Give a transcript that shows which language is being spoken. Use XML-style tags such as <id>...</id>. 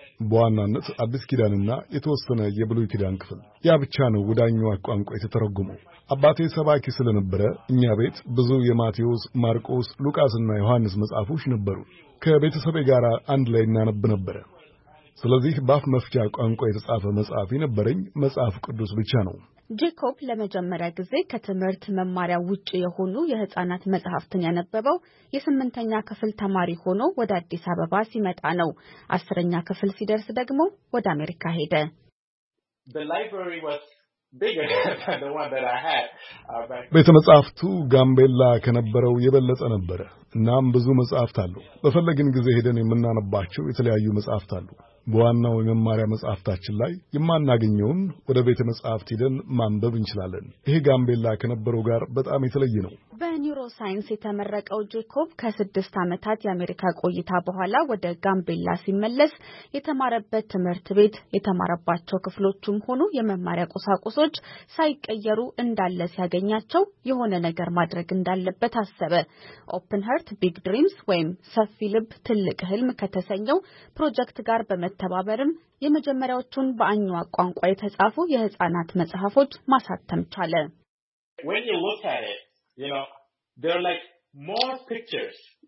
<am>በዋናነት አዲስ ኪዳንና የተወሰነ የብሉይ ኪዳን ክፍል። ያ ብቻ ነው ወዳኙ አቋንቋ የተተረጎመው። አባቴ ሰባኪ ስለነበረ እኛ ቤት ብዙ የማቴዎስ፣ ማርቆስ፣ ሉቃስና ዮሐንስ መጽሐፎች ነበሩ። ከቤተሰቤ ጋር አንድ ላይ እናነብ ነበር። ስለዚህ ባፍ መፍቻ ቋንቋ የተጻፈ መጽሐፍ ነበረኝ። መጽሐፍ ቅዱስ ብቻ ነው። ጄኮብ ለመጀመሪያ ጊዜ ከትምህርት መማሪያ ውጪ የሆኑ የህፃናት መጽሐፍትን ያነበበው የ8ኛ ክፍል ተማሪ ሆኖ ወደ አዲስ አበባ ሲመጣ ነው። 10ኛ ክፍል ሲደርስ ደግሞ ወደ አሜሪካ ሄደ።</am> <en>The library was bigger than the one that I had.</en> <am>ቤተ መጽሐፍቱ ጋምቤላ ከነበረው የበለጠ ነበር። እናም ብዙ መጽሐፍት አሉ። በፈለግን ጊዜ ሄደን የምናነባቸው የተለያዩ መጽሐፍት አሉ። በዋናው የመማሪያ መጽሐፍታችን ላይ የማናገኘውን ወደ ቤተ መጽሐፍት ሄደን ማንበብ እንችላለን። ይሄ ጋምቤላ ከነበረው ጋር በጣም የተለየ ነው። በኒውሮሳይንስ የተመረቀው ጄኮብ ከ6 ዓመታት የአሜሪካ ቆይታ በኋላ ወደ ጋምቤላ ሲመለስ የተማረበት ትምህርት ቤት፣ የተማረባቸው ክፍሎችም ሆኑ የመማሪያ ቁሳቁሶች ሳይቀየሩ እንዳለ ሲያገኛቸው የሆነ ነገር ማድረግ እንዳለበት አሰበ። ኦፕን ሃርት ቢግ ድሪምስ ወይም ሰፊ ልብ ትልቅ ህልም ከተሰኘው ፕሮጀክት ጋር በመተባበርም የመጀመሪያዎቹን በአኛዋ ቋንቋ የተጻፉ የህፃናት መጽሐፎች ማሳተም ቻለ።</am> <en>You know, there are like more pictures.</en>